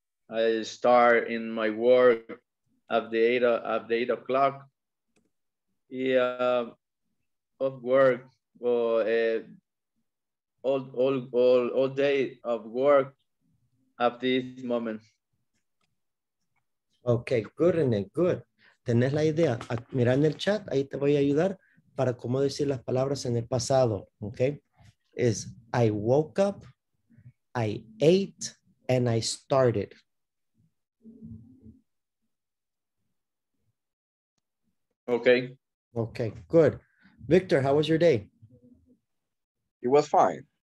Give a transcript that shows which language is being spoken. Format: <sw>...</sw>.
<en>I start in my work at the 8 o'clock. Yeah, of work, all day of work at this moment. Okay, good, René, good.</en> <es>Tenés la idea. Mira en el chat, ahí te voy a ayudar para cómo decir las palabras en el pasado, okay?</es> <en>Is I woke up, I ate, and I started. Okay. Okay, good. Victor, how was your day? It was fine.</en>